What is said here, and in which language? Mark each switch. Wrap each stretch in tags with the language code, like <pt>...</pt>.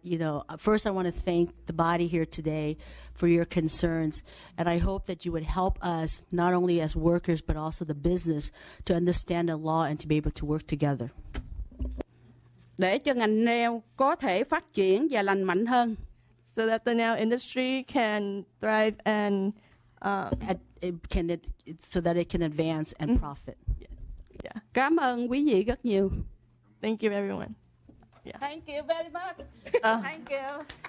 <en>you know, first I want to thank the body here today for your concerns, and I hope that you would help us not only as workers but also the business to understand the law and to be able to work together.</en> <vi>Để cho ngành nail có thể phát triển và lành mạnh hơn.</vi> <en>So that the nail industry can thrive and so that it can advance and profit. Yeah.</en> <vi>Cảm ơn quý vị rất nhiều.</vi> <en>Thank you everyone. Yeah. Thank you very much. Thank you.</en>